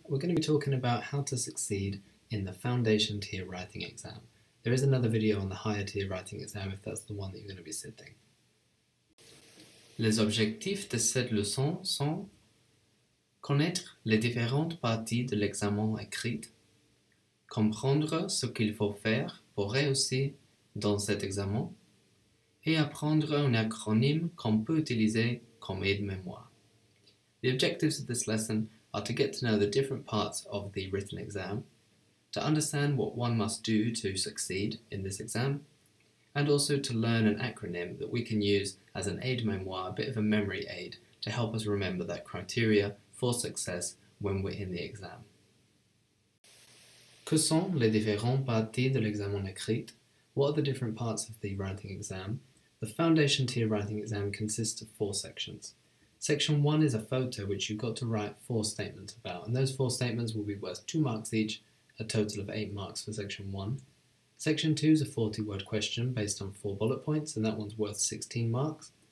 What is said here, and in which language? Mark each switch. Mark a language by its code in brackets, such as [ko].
[en] We're going to be talking about how to succeed in the foundation tier writing exam. There is another video on the higher tier writing exam if that's the one that you're going to be sitting. [fr] Les objectifs de cette leçon sont connaître les différentes parties de l'examen écrit, comprendre ce qu'il faut faire pour réussir dans cet examen, et apprendre un acronyme qu'on peut utiliser comme aide-mémoire. [en] The objectives of this lesson are to get to know the different parts of the written exam, to understand what one must do to succeed in this exam, and also to learn an acronym that we can use as an aide-mémoire, a bit of a memory aid, to help us remember that criteria for success when we're in the exam. [fr] Que sont les différentes parties de l'examen écrit? [en] What are the different parts of the writing exam? The foundation tier writing exam consists of four sections. Section one is a photo which you've got to write four statements about, and those four statements will be worth 2 marks each, a total of 8 marks for section one. Section two is a 40-word question based on 4 bullet points, and that one's worth 16 marks.